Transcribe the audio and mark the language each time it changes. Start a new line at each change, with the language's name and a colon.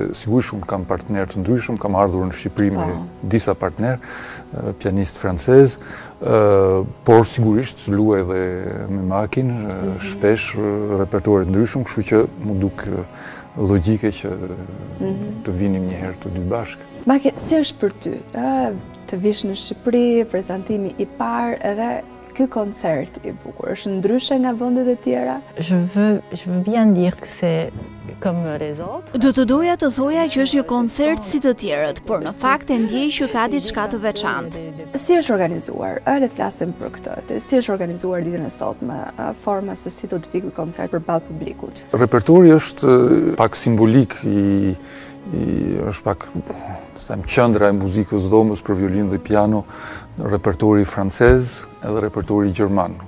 Albanian: Sigurisht unë kam partner të ndryshëm, kam ardhur në Shqipëri me disa partner, pianist francez, por sigurisht luaj edhe me Makin, shpesh repertuar të ndryshëm, kështu që më duk logjike që të vinim një herë të dy bashkë. Maki, si është për ty të vish në Shqipëri, prezantimi i parë edhe ky koncert i bukur? Është ndryshe nga vendet e tjera?
French: Je veux bien dire que c'est comme les autres.
Albanian: Do të doja të thoja që është një koncert si të tjerët, por në fakt e ndjej që ka diçka të veçantë. Si është organizuar? A le të flasim për këtë? Si është organizuar ditën e sotme? Forma se si do të vijë ky koncert përballë publikut? Repertuari është pak simbolik i është pak, them, qendra e muzikës dhomës për violin dhe piano, repertori francez edhe repertori gjerman.